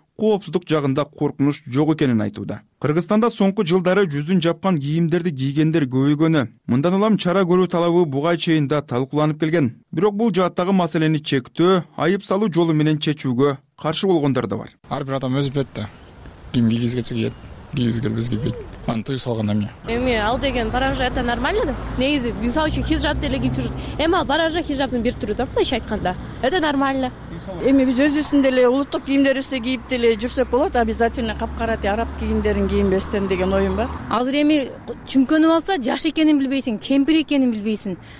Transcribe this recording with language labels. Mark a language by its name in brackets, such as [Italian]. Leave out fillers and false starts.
[Kyrgyz] коопсуздук жагында коркунуч жок экенин айтууда. Кыргызстанда соңку жылдары жүзүн жапкан кийимдерди кийгендер көбөйгөнү, мындан улам чара көрүү талабы буга чейин да талкууланып келген. Бирок бул жааттагы маселени чектөө, айып салуу жолу менен чечүүгө каршы болгондор да бар. Ар бир адам өз билет да. Ким кийгизгесе кийет, кийгизгенбиз кийет. Аны тыюу салган эмне? Эми ал деген паранжа [Russian] это нормально [Kyrgyz] да? Негизи мисалы үчүн хиджаб деле кийип жүрөт. Эми ал паранжа хиджабтын бир түрү да, мындайча айтканда. [Russian] Это нормально. [Kyrgyz] Эми биз өзүбүздүн деле улуттук кийимдерибизди кийип деле жүрсөк болот, обязательно капкара тие араб кийимдерин кийинбестен деген оюм бар. Азыр эми чүмкөнүп алса жаш экенин билбейсиң, кемпир экенин билбейсиң.